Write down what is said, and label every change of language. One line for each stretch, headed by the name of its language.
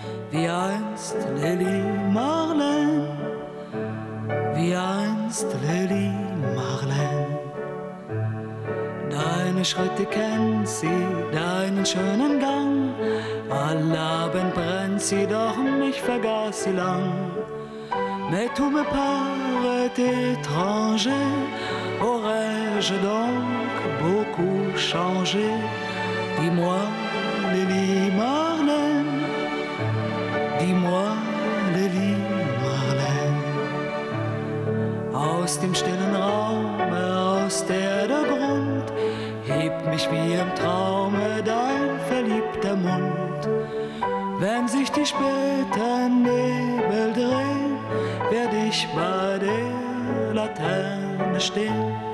German: Wie einst Lili Marlen. Wie einst Lili Marlen. Deine Schritte kennt sie, deinen schönen Gang. All Abend brennt sie, doch mich vergaß sie lang.
French: Mais tout me paraît étranger, aurais-je donc beaucoup changé? Dis-moi, Lili Marlen, dis-moi, Lili Marlen.
German: Aus dem stillen Raum, aus der Grund, hebt mich wie im Traume dein verliebter Mund. Wenn sich die späten Nebel drehen, werd ich bei der Laterne stehen.